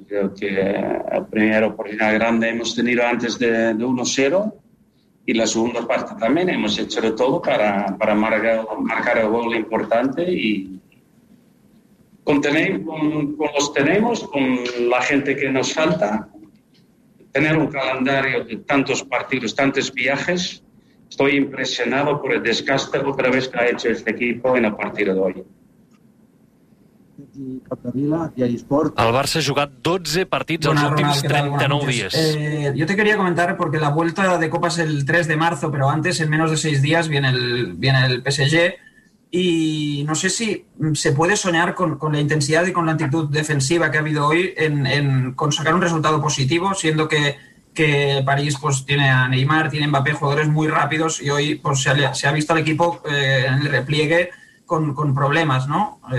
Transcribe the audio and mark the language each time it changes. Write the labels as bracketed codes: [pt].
[es] Creo que la primera oportunidad grande hemos tenido antes de 1-0 y la segunda parte también hemos hecho de todo para marcar el gol importante y con los tenemos, con la gente que nos falta, tener un calendario de tantos partidos, tantos viajes, estoy impresionado por el desgaste otra vez que ha hecho este equipo en el partido de hoy. [ca] El Barça ha jugat 12 partits els últims 39 dies. [es] Yo te quería comentar, porque la vuelta de Copa es el 3 de marzo, pero antes, en menos de 6 días, viene el PSG, y no sé si se puede soñar con la intensidad y con la actitud defensiva que ha habido hoy con sacar un resultado positivo, siendo que París pues, tiene a Neymar, tiene a Mbappé, jugadores muy rápidos, y hoy pues, se ha visto al equipo en el repliegue, con problemas, ¿no?